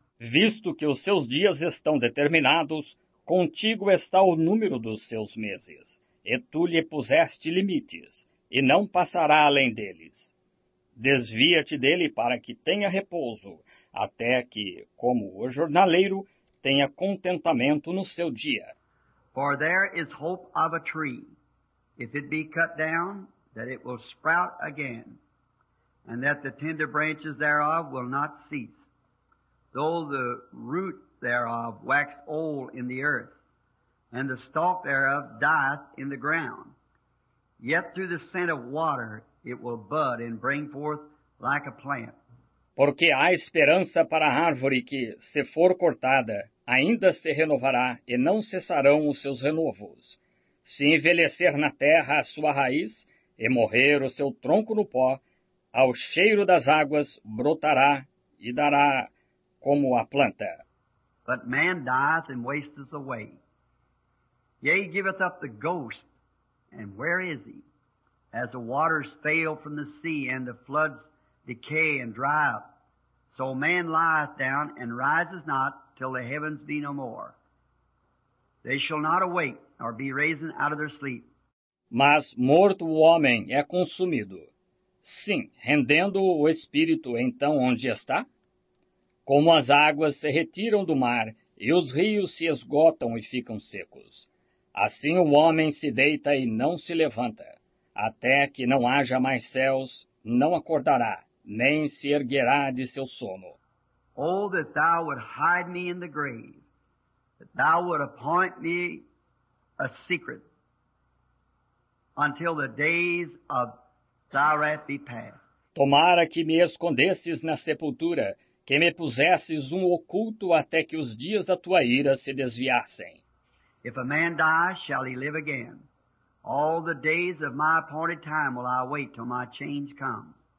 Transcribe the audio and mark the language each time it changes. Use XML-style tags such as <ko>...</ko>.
<pt>Visto que os seus dias estão determinados, Contigo está o número dos seus meses, e tu lhe puseste limites, e não passará além deles. Desvia-te dele para que tenha repouso, até que, como o jornaleiro, tenha contentamento no seu dia.</pt> <en>For there is hope of a tree, if it be cut down, that it will sprout again, and that the tender branches thereof will not cease. Though the root thereof wax old in the earth, and the stalk thereof dieth in the ground, yet through the scent of water it will bud and bring forth like a plant.</en> <pt>Porque há esperança para a árvore que, se for cortada, ainda se renovará, e não cessarão os seus renovos. Se envelhecer na terra a sua raiz, e morrer o seu tronco no pó, ao cheiro das águas brotará e dará como a planta.</pt> <en>But man dieth and wasteth away. Yea, he giveth up the ghost, and where is he? As the waters fail from the sea, and the floods decay and dry up, so man lieth down and rises not till the heavens be no more. They shall not awake, nor be raised out of their sleep.</en> <pt>Mas morto o homem é consumido. Sim, rendendo o espírito, então onde está? Como as águas se retiram do mar, e os rios se esgotam e ficam secos. Assim o homem se deita e não se levanta, até que não haja mais céus, não acordará, nem se erguerá de seu sono.</pt> <en>Oh, that thou would hide me in the grave, that thou would appoint me a secret, until the days of thy wrath be past.</en> <pt>Tomara que me escondesses na sepultura, que me pusesses um oculto até que os dias da tua ira se desviassem.</pt> <en>If a man die, shall he live again. All the days of my appointed time will I wait till my change come.</en>